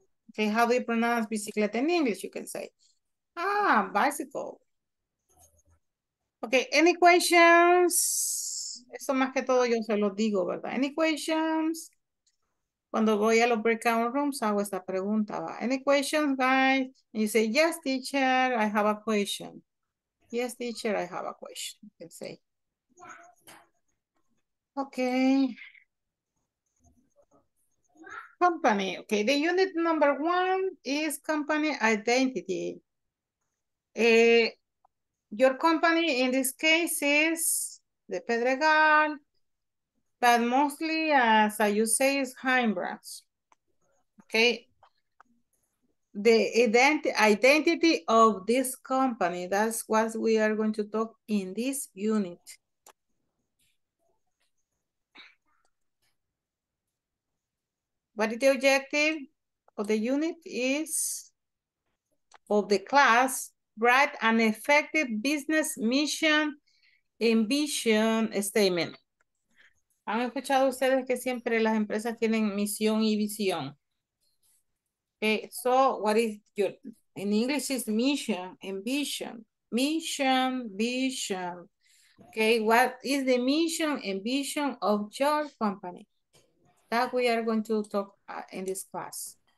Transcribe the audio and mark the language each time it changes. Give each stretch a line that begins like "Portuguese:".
English: Okay, how do you pronounce bicicleta in English? You can say. Ah, bicycle. Okay, any questions?
Spanish: Eso más que todo yo se lo digo, ¿verdad?
English: Any questions?
Spanish: Cuando voy a los breakout rooms, hago esta pregunta.
English: ¿Va? Any questions, guys? And you say, yes, teacher, I have a question. Yes, teacher, I have a question. You can say. Okay. Company. Okay, the unit number one is company identity. Your company, in this case, is the Pedregal. But mostly, as you say, is Heimbrands. Okay. The identity of this company. That's what we are going to talk in this unit. What is the objective of the unit is of the class, write an effective business mission and vision statement.
Spanish: ¿Han escuchado ustedes que siempre las empresas tienen misión y visión?
English: Okay, so what is your, in English is mission and vision. Mission, vision. Okay, what is the mission and vision of your company? That we are going to talk in this class.